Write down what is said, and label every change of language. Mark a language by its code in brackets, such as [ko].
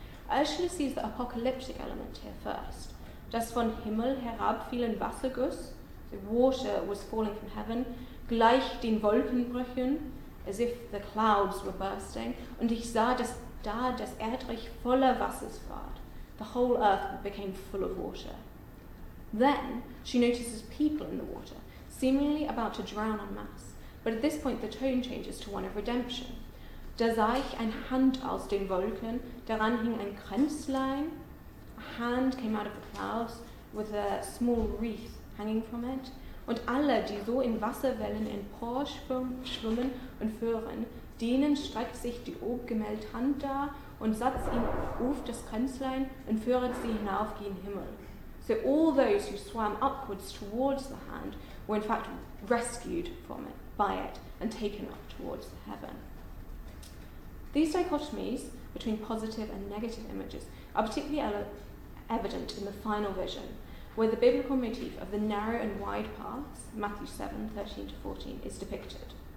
[en] Ursula sees the apocalyptic element here first. [de] Das von Himmel herabfielen Wasserguss, [en] the water was falling from heaven, [de] gleich den Wolkenbrüchen, [en] as if the clouds were bursting, [de] und ich sah, dass da das Erdreich voller Wassers ward, [en] the whole earth became full of water. Then she notices people in the water, seemingly about to drown en masse, but at this point the tone changes to one of redemption. [de] Da sah ich ein Hand aus den Wolken, daran hing ein Kränzlein. [en] A hand came out of the clouds with a small wreath hanging from it. [de] Und alle, die so in Wasserwellen empor schwimmen und führen, denen streckt sich die obgemeldte Hand da und satz ihm auf das Kränzlein und führet sie hinauf gen Himmel. [en] So all those who swam upwards towards the hand were in fact rescued from it, by it, and taken up towards the heaven. These dichotomies between positive and negative images are particularly evident in the final vision, where the biblical motif of the narrow and wide paths, Matthew 7:13-14, is depicted.